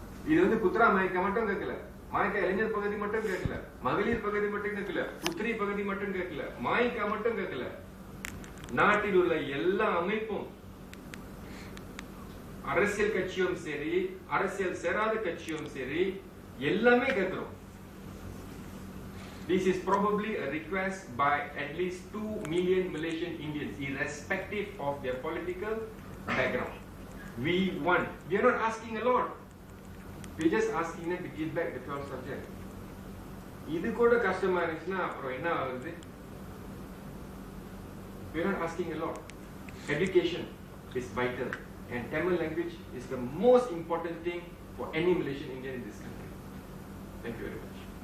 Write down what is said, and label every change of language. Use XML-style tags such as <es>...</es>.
<ta>இது வந்து குத்ரா மயக்க மட்டும் கேட்கல, மயக்க இளைஞர் பகுதி மட்டும் கேட்கல, மகளிர் பகுதி மட்டும் கேட்கல, புத்திரி பகுதி மட்டும் கேட்கல, மாய்க்கா மட்டும் கேட்கல, நாட்டில் உள்ள எல்லா அமைப்பும் அரசியல் கட்சியும் சரி அரசியல் சேராத கட்சியும் சரி எல்லாமே கேட்கிறோம்.</ta> <en>This is probably a request by at least 2 million Malaysian Indians, irrespective of their political background. We want, we are not asking a lot. We're just asking them to give back the 12 subject.</en> <ta>இது கூட கஷ்டமா இருந்துச்சுன்னா அப்புறம் என்ன ஆகுது?</ta> <en>We are not asking a lot. Education is vital and Tamil language is the most important thing for any Malaysian Indian in this country. Thank you very much.</en>